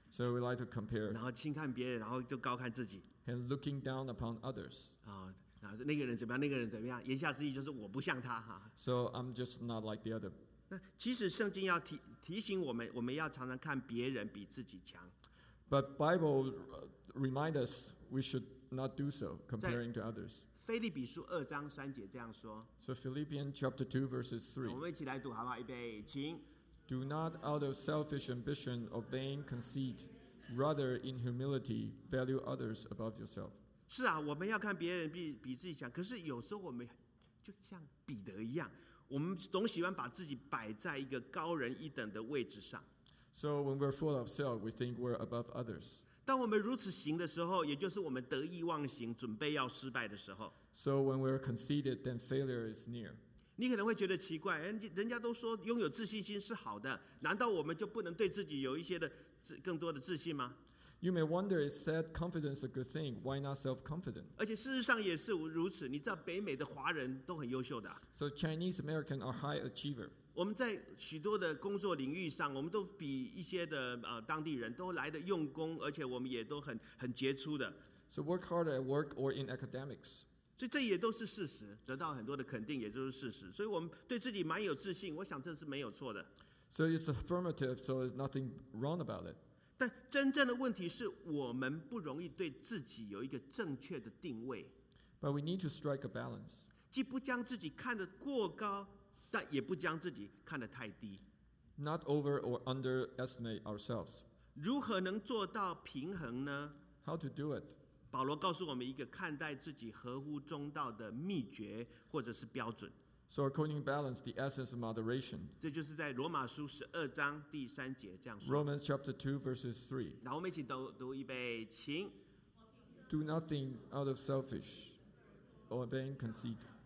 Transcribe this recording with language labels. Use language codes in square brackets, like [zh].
[en] So we like to compare. [zh] 然后轻看别人，然后就高看自己。 [en] And looking down upon others. [zh] 啊，然后那个人怎么样，那个人怎么样？言下之意就是我不像他哈。 [en] So I'm just not like the other. [zh] 那其实圣经要提醒我们，我们要常常看别人比自己强。 [en] But Bible remind us we should not do so, comparing to others. [zh] 腓立比书二章三节这样说。 [en] So Philippians chapter 2 verses 3. [zh] 我们一起来读好不好？预备，请。 [en] Do not out of selfish ambition or vain conceit, rather in humility value others above yourself. [zh] 是啊，我们要看别人比自己强。可是有时候我们就像彼得一样，我们总喜欢把自己摆在一个高人一等的位置上。 [en] So when we're full of self, we think we're above others. [zh] 当我们如此行的时候，也就是我们得意忘形，准备要失败的时候。 [en] So when we're conceited, then failure is near. [zh] 你可能会觉得奇怪，人家都说拥有自信心是好的，难道我们就不能对自己有一些的更多的自信吗 [en] ？You may wonder, is said confidence a good thing? Why not self-confident? [zh] 而且事实上也是如此。你知道北美的华人都很优秀的。 [en] So Chinese American are high achiever. [zh] 我们在许多的工作领域上，我们都比一些的当地人都来得用功，而且我们也都很杰出的。 [en] So work hard at work or in academics. [zh] 所以这也都是事实，得到很多的肯定也就是事实。所以我们对自己蛮有自信，我想这是没有错的。 [en] So it's affirmative, so there's nothing wrong about it. [zh] 但真正的问题是我们不容易对自己有一个正确的定位。 [en] But we need to strike a balance. [zh] 既不将自己看得过高，但也不将自己看得太低。 [en] Not over or underestimate ourselves. [zh] 如何能做到平衡呢？ [en] How to do it? [zh] 保罗告诉我们一个看待自己合乎中道的秘诀或者是标准。 [en] So according to balance, the essence of moderation. [zh] 这就是在罗马书十二章第三节这样说。 [en] Romans chapter 2 verses 3. [zh] 然后我们一起读读预备，请。 [en] Do nothing out of selfish. Or vain conceit.